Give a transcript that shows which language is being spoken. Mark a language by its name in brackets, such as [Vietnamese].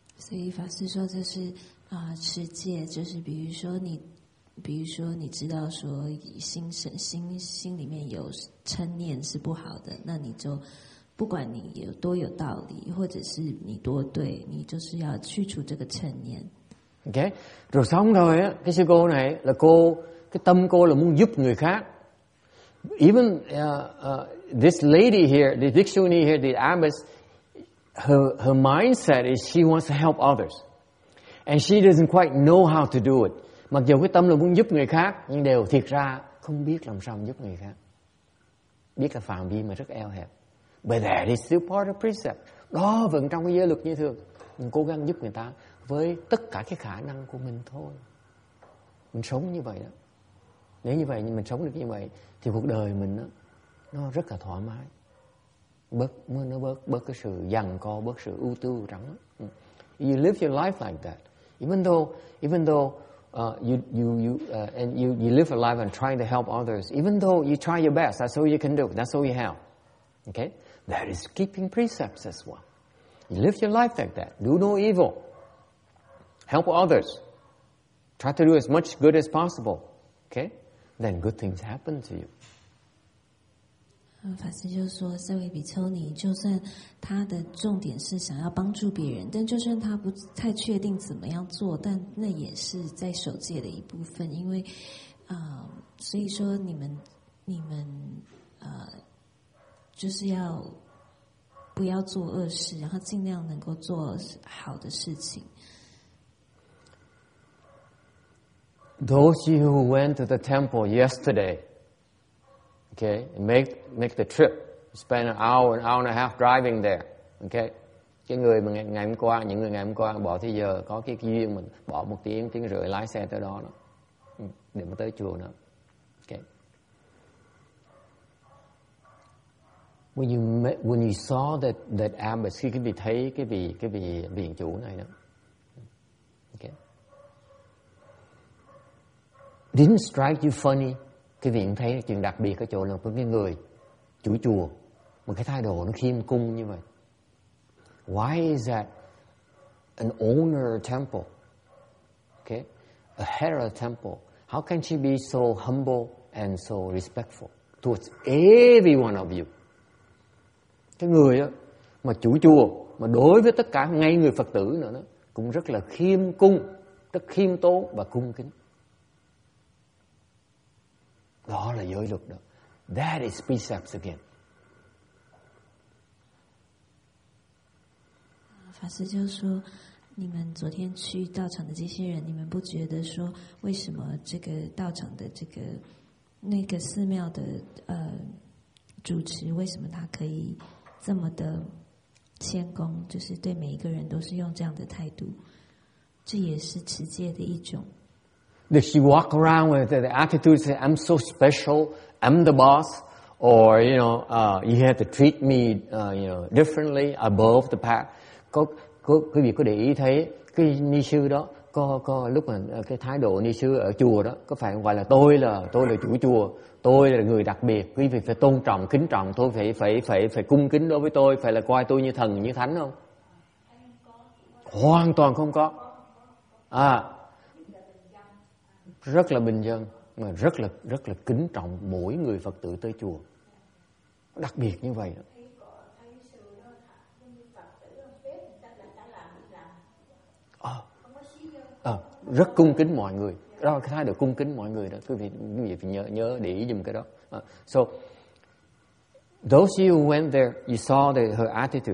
[Vietnamese] Thì pháp sư nói đó là trì giới, tức là ví dụ như biết được rằng tâm bên trong có sân niệm là không tốt, thì mình [Chinese] 不管你有多有道理，或者是你多对，你就是要去除这个成年。 [Vietnamese] OK, rồi xong rồi á, cái sư cô này là cô, cái tâm cô là muốn giúp người khác. [English] Even this lady here, the Dikshuni here, the abbess, her mindset is she wants to help others, and she doesn't quite know how to do it. [Vietnamese] Mặc dù cái tâm là muốn giúp người khác, nhưng đều thiệt ra không biết làm sao giúp người khác. Biết là phạm vi mà rất eo hẹp. [English] But that is still part of precept. [Vietnamese] Đó vẫn trong cái giới luật như thường. Mình cố gắng giúp người ta với tất cả cái khả năng của mình thôi. Mình sống như vậy đó. Nếu như vậy, mình sống được như vậy, thì cuộc đời mình đó, nó rất là thoải mái. Bớt cái sự giằn co, bớt sự ưu tư trắng. [English] You live your life like that. Even though you live a life and trying to help others. Even though you try your best, that's all you can do. That's all you have. Okay? That is keeping precepts as well. You live your life like that. Do no evil. Help others. Try to do as much good as possible. Okay? Then good things happen to you. [Chinese] 法师就说, 这位比丘尼, 就算他的重点是想要帮助别人, 但就算他不太确定怎么样做, 但那也是在守戒的一部分, 因为, 所以说你们, 就是要 不要做恶事, 然后尽量能够做好的事情。 [English] Those you who went to the temple yesterday, okay, make the trip, spend an hour and a half driving there, okay. [Vietnamese] Cái người mà ngày hôm qua, những người ngày hôm qua bỏ thời giờ có cái duyên mình bỏ một tiếng rưỡi lái xe tới đó đó, để mà tới chùa nữa. [English] When you saw that abbess, [Vietnamese] khi quý vị thấy cái vị viện chủ này đó, [English] didn't strike you funny? [Vietnamese] Cái vị cũng thấy chuyện đặc biệt ở chỗ là một cái người chủ chùa mà cái thái độ nó khiêm cung như vậy. [English] Why is that an owner of temple? Okay, a head of temple. How can she be so humble and so respectful towards every one of you? [Vietnamese] Cái người đó, mà chủ chùa mà đối với tất cả ngay người Phật tử nữa đó, cũng rất là khiêm cung, rất khiêm tốn và cung kính. Đó là giới luật đó. [English] That is precepts again. [Chinese] 法师就说，你们昨天去道场的这些人，你们不觉得说，为什么这个道场的这个那个寺庙的主持，为什么他可以这么的谦恭，就是对每一个人都是用这样的态度，这也是持戒的一种。 [English] Did she walk around with the attitude, say, "I'm so special, I'm the boss," or you know, "You have to treat me, you know, differently, above the pack"? [Vietnamese] Có quý vị có để ý thấy cái ni sư đó có lúc mà cái thái độ ni sư ở chùa đó có phải gọi là tôi là chủ chùa, tôi là người đặc biệt, quý vị phải tôn trọng kính trọng tôi, phải cung kính đối với tôi, phải là coi tôi như thần như thánh không? Hoàn toàn không có. À, rất là bình dân mà rất là kính trọng mỗi người Phật tử tới chùa. Đặc biệt như vậy đó. Rất cung kính mọi người. Đó là thái độ cung kính mọi người đó. Quý vị phải nhớ để ý giùm cái đó. [English] So those who went there, you saw her attitude.